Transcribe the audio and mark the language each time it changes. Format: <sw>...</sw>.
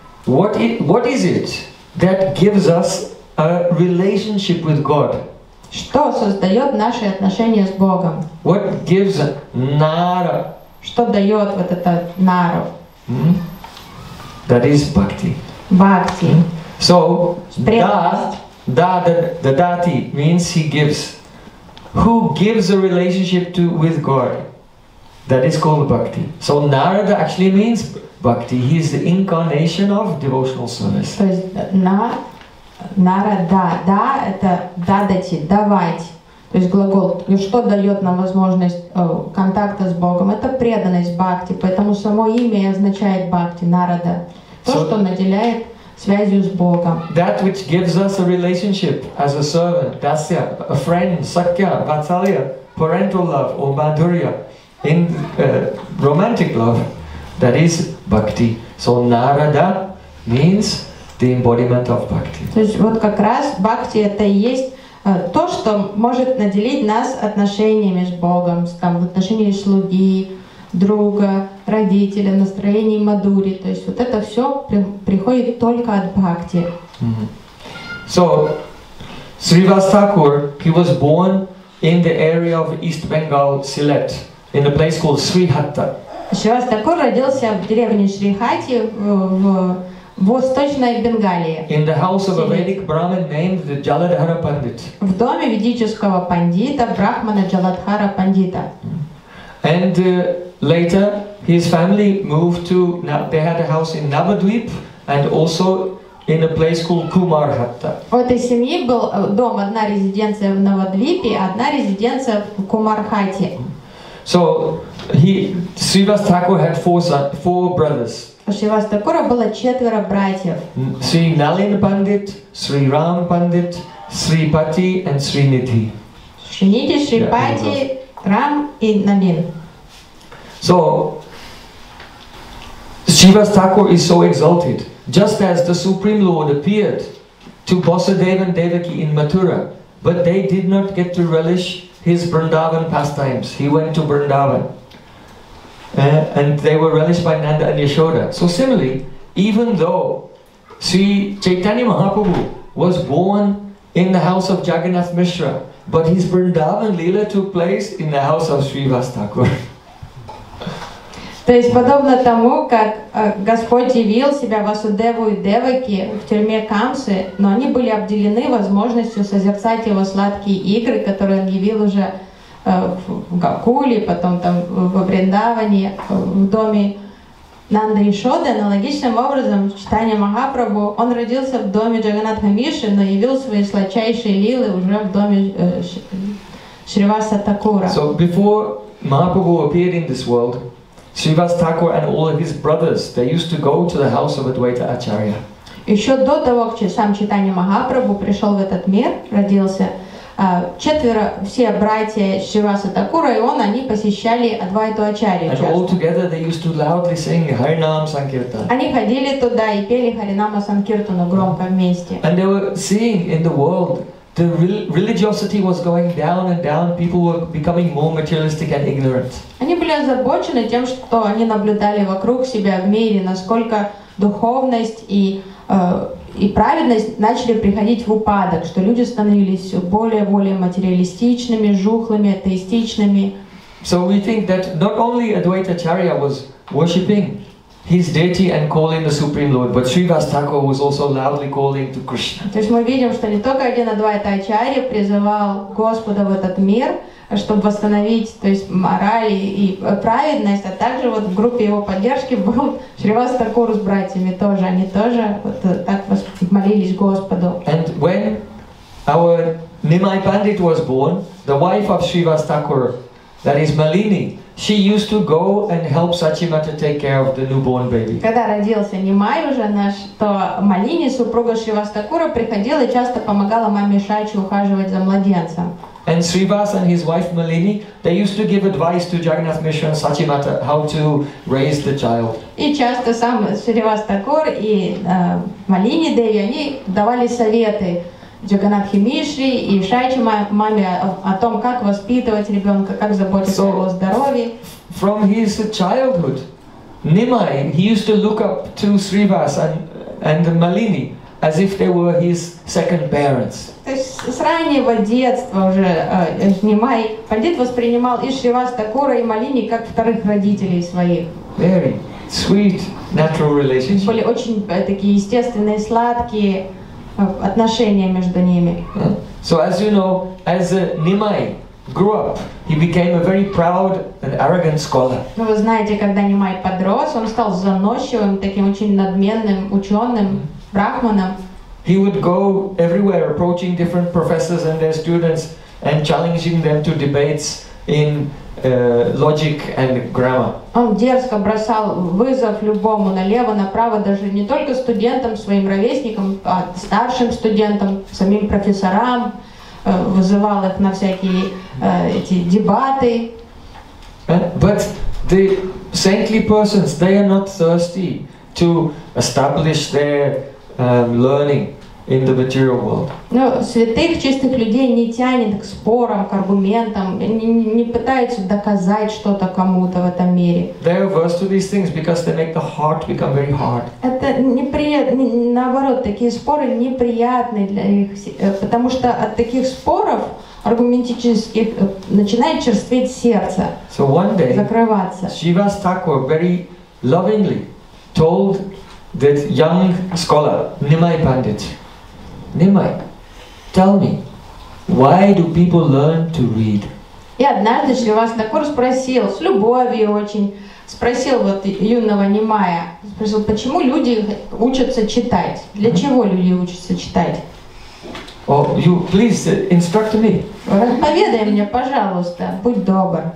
<en>So, what is it that gives us a relationship with God?</en> <ru>Что создает наши отношения с Богом?</ru> <en>What gives Nara?</en> <ru>Что дает вот это Нару?</ru> <en>That is Bhakti. Bhakti. So, the Dati means he gives. Who gives a relationship to with God? That is called Bhakti. So Narada actually means Bhakti. He is the incarnation of devotional service.</en> <ru>То есть Нарада, да, это дадати, давать. То есть глагол, что дает нам возможность контакта с Богом, это преданность бхакти. Поэтому само имя и означает бхакти, Нарада. То, so, что наделяет связью с Богом.</ru> <en>That which gives us a relationship as a servant, dasya, a friend, sakya, vatsalya, parental love or madhurya, in romantic love, that is bhakti. So Narada means the embodiment of bhakti.</en> <ru>То есть вот как раз бхакти это и есть то, что может наделить нас отношениями с Богом, там в отношении слуги, друга, родителя, настроение мадури. То есть вот это все приходит только от бхакти.</ru> <en>So, Srivas Thakur, he was born in the area of East Bengal, Sylhet, in a place called Srihatta.</en> <ru>Srivas Thakur родился в деревне Шрихати в Восточной Бенгалии.</ru> <en>In the house of a Vedic Brahmin named the Jaladhara Pandit.</en> <ru>В доме ведического пандита, брахмана Джаладхара пандита.</ru> <en>And later, his family moved to, they had a house in Navadvip and also in a place called Kumarhatta.</en> <ru>У этой семьи был дом, одна резиденция в Навадвипе, одна резиденция в Кумархате.</ru> <en>So, Srivas Thakur had four brothers.</en> <ru>У Шривас Такура было четверо братьев.</ru> <en>Sri Nalin Pandit, Sri Ram Pandit, Sri Pati and Sri Nidhi.</en> <ru>Sri Nidhi, Sri Pati, Ram и Nalin.</ru> <en>So, Srivas Thakur is so exalted. Just as the Supreme Lord appeared to Vasudeva and Devaki in Mathura, but they did not get to relish his Vrindavan pastimes. He went to Vrindavan. And they were relished by Nanda and Yashoda. So similarly, even though Sri Chaitanya Mahaprabhu was born in the house of Jagannath Mishra, but his Vrindavan Leela took place in the house of Srivas Thakur.</en> <ru>То есть, подобно тому, как Господь явил себя Васудеву и Деваке в тюрьме Камсы, но они были обделены возможностью созерцать его сладкие игры, которые он явил уже в Гокуле, потом там во Вриндаване, в доме Нанды Ишоды. Аналогичным образом, в читании Махапрабху, он родился в доме Джаганнатха Миши, но явил свои сладчайшие лилы уже в доме Шриваса Такура.</ru> <en>So before Mahaprabhu appeared in this world, Srivas Thakur and all of his brothers, they used to go to the house of Advaita Acharya.</en> <ru>Еще до того, как сам Чайтанья Махапрабху пришел в этот мир, родился, четверо, все братья Шриваса Такура и он, они посещали Адвайту Ачарью.</ru> <en>And all together they used to loudly sing Харинам Санкиртан.</en> <ru>Они ходили туда и пели Харинама Санкиртану громко вместе.</ru> <en>And they were seeing in the world the religiosity was going down and down, people were becoming more materialistic and ignorant.</en> <ru>Они были озабочены тем, что они наблюдали вокруг себя в мире, насколько духовность и праведность начали приходить в упадок, что люди становились все более и более материалистичными, жухлыми, атеистичными.</ru> <en>So we think that not only Advaita Acharya was worshipping his deity and calling the Supreme Lord, but Srivas Thakur was also loudly calling to Krishna.</en> <ru>То есть мы видим, что не только один Адвайта Ачарья призывал Господа в этот мир, чтобы восстановить, то есть мораль и праведность, а также вот в группе его поддержки был Шривас Такур с братьями тоже, они тоже вот так молились Господу.</ru> <en>And when our Nimai Pandit was born, the wife of Srivas Thakur, that is Malini, she used to go and help Sachimata take care of the newborn baby.</en> <ru>Когда родился Нимай уже наш, то Малини, супруга Шривас Такура, приходила и часто помогала маме Шачи ухаживать за младенцем.</ru> <en>And Srivas and his wife Malini, they used to give advice to Jagannath Mishra and Sachimata how to raise the child.</en> <ru>И часто сам Шривас Такур и Малини Деви, они давали советы Джаганатхи Мишри и Шайчи маме о том, как воспитывать ребенка, как заботиться о его здоровье.</ru> <en>From his childhood, Nimai, he used to look up to Srivas and Malini as if they were his second parents.</en> <ru>То есть с раннего детства уже Нимай, пандит воспринимал и Шривас Такура, и Малини как вторых родителей своих.</ru> <en>Very sweet natural relationship.</en> <ru>Были очень такие естественные, сладкие отношения между ними.</ru> <en>So as you know, as Nimai grew up, he became a very proud and arrogant scholar.</en> <ru>Вы знаете, когда Нимай подрос, он стал заносчивым, таким очень надменным ученым, брахманом.</ru> <en>He would go everywhere, approaching different professors and their students, and challenging them to debates in logic and grammar.</en> <ru>Он дерзко бросал вызов любому налево, направо, даже не только студентам, своим ровесникам, а старшим студентам, самим профессорам, вызывал их на всякие эти дебаты.</ru> <en>But the saintly persons, they are not thirsty to establish their learning. in the material world.</en> <ru>Но святых чистых людей не тянет к спорам, к аргументам, не пытаются доказать что-то кому-то в этом мире.</ru> <en>They are averse to these things because they make the heart become very hard.</en> <ru>Это неприятно, наоборот, такие споры неприятны для них, потому что от таких споров аргументических начинает черстветь сердце.</ru> <en>So one day,</en> <ru>закрываться.</ru> <en>Shivas Thakur very lovingly told that young scholar, Nimai Pandit, Nimai, tell me, why do people learn to read?</en> <ru>И однажды Шривас Такур спросил, с любовью очень, спросил вот юного Нимая, спросил, почему люди учатся читать? Для чего люди учатся читать?</ru> <en>Oh, you please instruct me.</en> <ru>Поведай мне, пожалуйста, будь добр.</ru>